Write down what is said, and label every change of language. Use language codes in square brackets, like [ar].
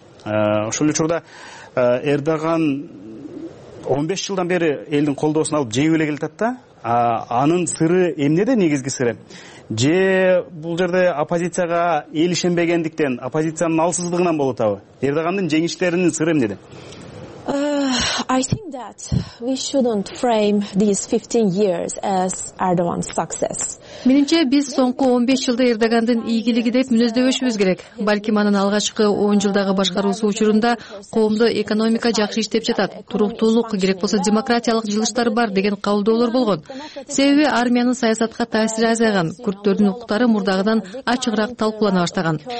[ky] Ошол эле учурда Эрдоган 15 жылдан бери элдин колдоосун алып жеп эле келатат да. Анын сыры эмнеде, негизги сыры? Же бул жерде оппозицияга эл ишенбегендиктен, оппозициянын алсыздыгынан болуп атабы? Эрдогандын жеңиштеринин сыры эмнеде? [en] I think that we shouldn't frame these 15 years as Erdogan's success. [ky] Менимче, биз соңку 15 жылды Эрдогандын ийгилиги деп мүнөздөбөшүбүз керек. Балким анын алгачкы 10 жылдагы башкаруусу учурунда коомдо экономика жакшы иштеп жатат, туруктуулук, керек болсо демократиялык жылыштар бар деген кабылдоолор болгон. Себеби армиянын саясатка таасири азайган, курдтордун укуктары мурдагыдан ачыгыраак талкуулана баштаган.